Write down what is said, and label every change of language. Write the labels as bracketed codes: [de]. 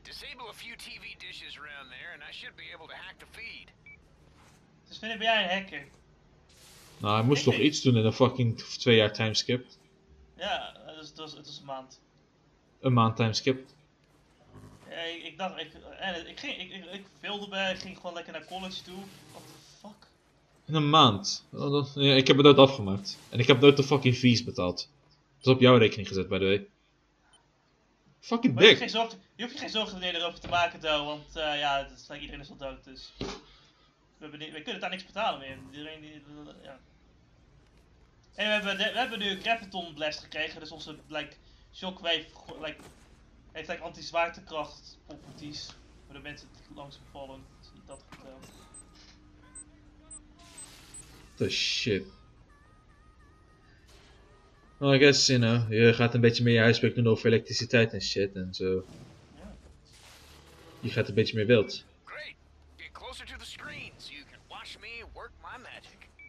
[en] Disable a few TV dishes around there, and I should be able to hack the feed. [nl] Dus vind jij een hacker? Nou, hij moest toch iets doen in een fucking 2 jaar timeskip. Ja, het was een maand. Een maand timeskip. Ja, ik ging gewoon lekker naar college toe. [en] What the fuck? [nl] In een maand? Ja, ik heb het nooit afgemaakt. En ik heb nooit de fucking fees betaald. Dat is op jouw rekening gezet, [en] by the way. Fucking dick! [nl] Je hoeft je geen zorgen meer erover te maken, though, want ja, het is, like, iedereen is al dood, dus... We kunnen daar niks betalen meer. Iedereen die... ja. En we hebben nu een Graviton Blast gekregen, dus onze, like, shockwave... heeft, like, anti-zwaartekracht properties. Waar de mensen langzaam vallen, dus dat goed. [en] The shit. Well, I guess, you know, [nl] je gaat een beetje meer je huiswerk doen over elektriciteit en shit en zo. Je gaat een beetje meer wild. [en] Great. Get closer to the screen so you can watch me work my magic.